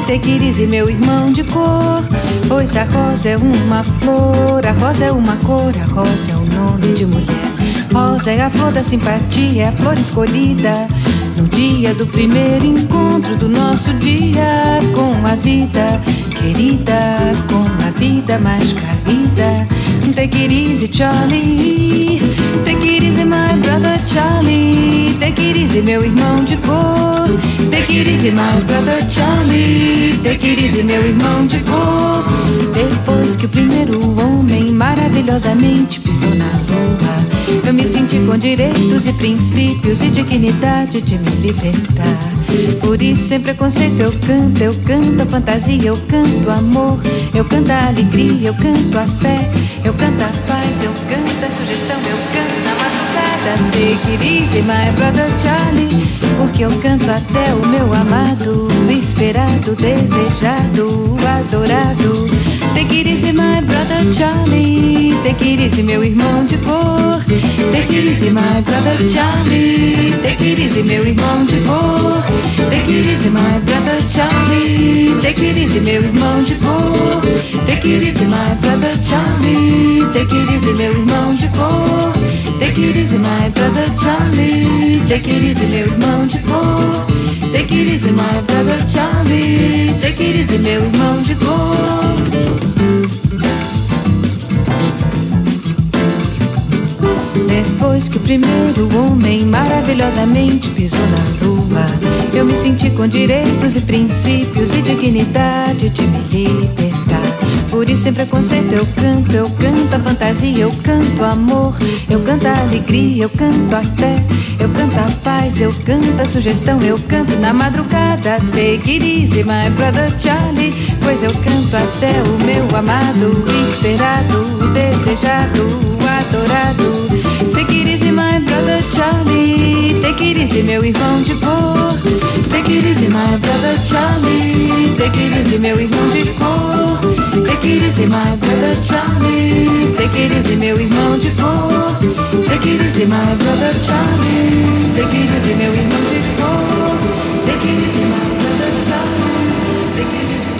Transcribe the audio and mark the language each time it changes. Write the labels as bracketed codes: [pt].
[en] Take it easy, [pt] meu irmão de cor. Pois a rosa é uma flor, a rosa é uma cor, a rosa é o nome de mulher. Rosa é a flor da simpatia, é a flor escolhida no dia do primeiro encontro do nosso dia com a vida querida, com a vida mais querida. [en] Take it easy, Charlie. Take it easy, my brother Charlie. Take it easy, [pt] meu irmão de cor. [en] Take it easy, my brother Charlie. Take it easy, [pt] meu irmão de cor. Depois que o primeiro homem maravilhosamente pisou na lua, eu me senti com direitos e princípios e dignidade de me libertar. Por isso sem preconceito eu canto a fantasia, eu canto amor, eu canto a alegria, eu canto a fé, eu canto a paz, eu canto a sugestão, eu canto a madrugada. [en] Take it easy, my brother Charlie, [pt] porque eu canto até o meu amado, esperado, desejado, adorado. [en] Take it easy, my brother Charlie. Take it easy, [pt] meu irmão de cor. [en] Take it easy, my brother Charlie. Take it easy, [pt] meu irmão de cor. [en] Take it easy, my brother Charlie. Take it easy, [pt] meu irmão de cor. [en] Take it easy, my brother Charlie. Take it easy, [pt] meu irmão de cor. [en] Take it easy, my brother Charlie. Take it easy, [pt] meu irmão de cor. [en] Take it easy, my brother Charlie. Take it easy, [pt] meu irmão de cor. Depois que o primeiro homem maravilhosamente pisou na lua, eu me senti com direitos e princípios e dignidade de me libertar. Por isso sem preconceito eu canto a fantasia, eu canto o amor, eu canto a alegria, eu canto a fé, eu canto a paz, eu canto a sugestão, eu canto na madrugada. [en] Take it easy, my brother Charlie, [pt] pois eu canto até o meu amado, esperado, desejado, adorado. [en] Take it easy, my brother Charlie. Take it easy, [pt] meu irmão de cor. [en] Take it easy, my brother Charlie. Take it easy, [pt] meu irmão de cor. [en] Take it easy, my brother Charlie. Take it easy, [pt] meu irmão de cor. [en] Take it easy, my brother Charlie. Take it easy, [pt] meu irmão de cor. [en] Take it easy, my brother Charlie.